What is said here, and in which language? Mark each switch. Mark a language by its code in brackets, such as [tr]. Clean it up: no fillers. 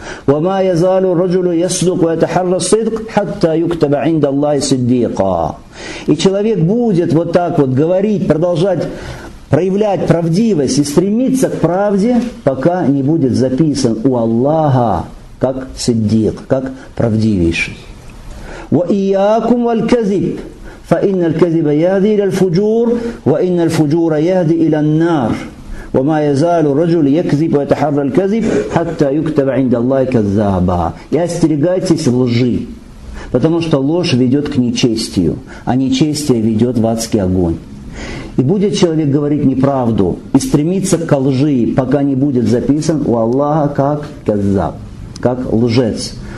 [ar] وَمَا يَزَالُ الرَّجُلُ يَصْدُقُ وَيَتَحَرَّ الصِّدْقَ حَتَّى يُكْتَبَ عِنْدَ اللَّهِ صِدِّيقًا. [ru] И человек будет вот так вот говорить, продолжать проявлять правдивость и стремиться к правде, пока не будет записан у Аллаха как сиддик, как правдивейший. [ar] وَإِيَّاكُمْ وَالْكَذِبُ فَإِنَّ الْكَذِبَ يَهْدِي إِلَى الْفُجُورِ وَإِنَّ الْفُجُورَ يَهْدِي إِلَى النَّارِ وَمَا يَزَالُ الرَّجُلُ يَكْذِبُ وَيَتَحَرَّى الْكَذِبَ حَتَّى يُكْتَبَ عِنْدَ اللَّهِ كَذَّابًا. [ru] И остерегайтесь лжи, потому что ложь ведет к нечестию, а нечестие ведет в адский огонь. И будет человек говорить неправду и стремиться ко лжи, пока не будет записан у Аллаха как каззаб, как лжец.